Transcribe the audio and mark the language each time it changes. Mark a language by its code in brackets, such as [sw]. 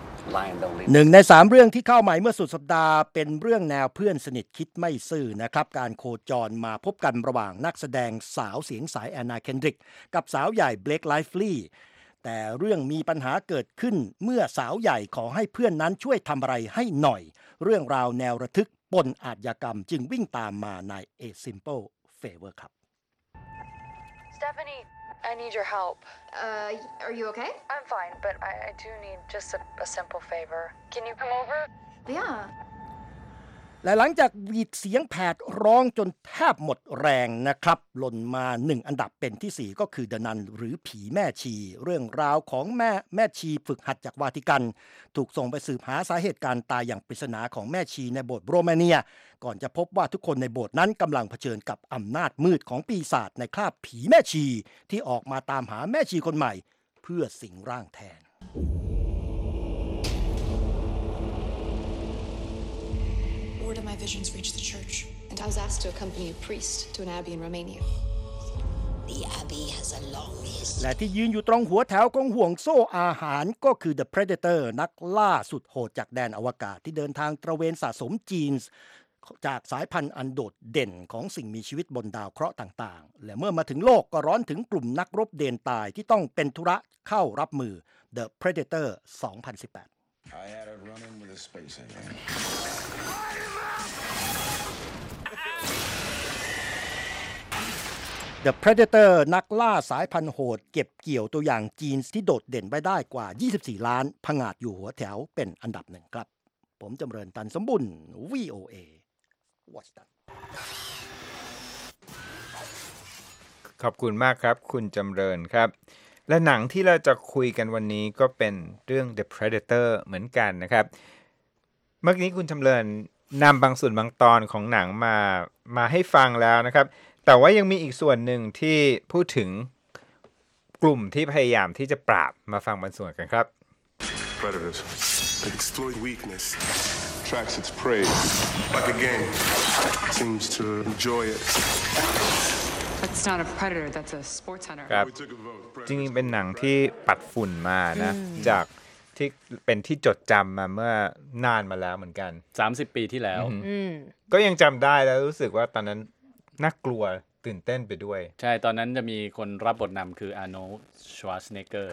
[th] 1ใน3เรื่องที่เข้าใหม่เมื่อสุดสัปดาห์เป็นเรื่องแนวเพื่อนสนิทคิดไม่ซื่อนะครับการโคจรมาพบกันระหว่างนักแสดงสาวเสียงสายแอนนาเคนดริกกับสาวใหญ่เบลคไลฟ์ลีย์แต่เรื่องมีปัญหาเกิดขึ้นเมื่อสาวใหญ่ขอให้เพื่อนนั้นช่วยทำอะไรให้หน่อยเรื่องราวแนวระทึกปนอาชญากรรมจึงวิ่งตามมาใน A Simple Favor ครับ [en] StephanieI need your help. Are you okay? I'm fine, but I do need just a simple favor. Can you come over? Yeah. [th] และหลังจากหวีดเสียงแผดร้องจนแทบหมดแรงนะครับหล่นมา1อันดับเป็นที่4ก็คือดนันหรือผีแม่ชีเรื่องราวของแม่ชีฝึกหัดจากวาติกันถูกส่งไปสืบหาสาเหตุการตายอย่างปริศนาของแม่ชีในโบสถ์โรมาเนียก่อนจะพบว่าทุกคนในโบสถ์นั้นกำลังเผชิญกับอำนาจมืดของปีศาจในคราบผีแม่ชีที่ออกมาตามหาแม่ชีคนใหม่เพื่อสิงร่างแทน [en] My visions reached the church, and I was asked to accompany a priest to an abbey in Romania. The abbey has a long history. [th] และที่ยืนอยู่ตรงหัวแถวของห่วงโซ่อาหารก็คือ The Predator นักล่าสุดโหดจากแดนอวกาศที่เดินทางตระเวนสะสมจีนจากสายพันธุ์อันโดดเด่นของสิ่งมีชีวิตบนดาวเคราะห์ต่างๆและเมื่อมาถึงโลกก็ร้อนถึงกลุ่มนักรบเดนตายที่ต้องเป็นธุระเข้ารับมือ The Predator 2018 [en] I had a run-in with a space alien. Fire him up! [th] The Predator, นักล่าสายพันธุ์โหดเก็บเกี่ยวตัวอย่างจีนที่โดดเด่นไปได้กว่า24ล้านผงาดอยู่หัวแถวเป็นอันดับหนึ่งครับผมจำเริญตันสมบุญ VOA [en] What's that? [th] ขอบคุณมากครับคุณจำเริญครับและหนังที่เราจะคุยกันวันนี้ก็เป็นเรื่อง The Predator เหมือนกันนะครับเมื่อกี้คุณจำเริญนำบางส่วนบางตอนของหนังมาให้ฟังแล้วนะครับแต่ว่ายังมีอีกส่วนหนึ่งที่พูดถึงกลุ่มที่พยายามที่จะปราบมาฟังบางส่วนกันครับ [en] Predators exploit weakness tracks its prey like a game seems to enjoy it It's not a predator. That's a sports hunter. [th] ครับจริงๆเป็นหนังที่ปัดฝุ่นมานะจากที่เป็นที่จดจำมาเมื่อนานมาแล้วเหมือนกัน 30ปีที่แล้ว ก็ยังจำได้แล้วรู้สึกว่าตอนนั้นน่ากลัวตื่นเต้นไปด้วย ใช่ตอนนั้นจะมีคนรับบทนำคืออาร์โนลด์ชวาร์ซเนกเกอร์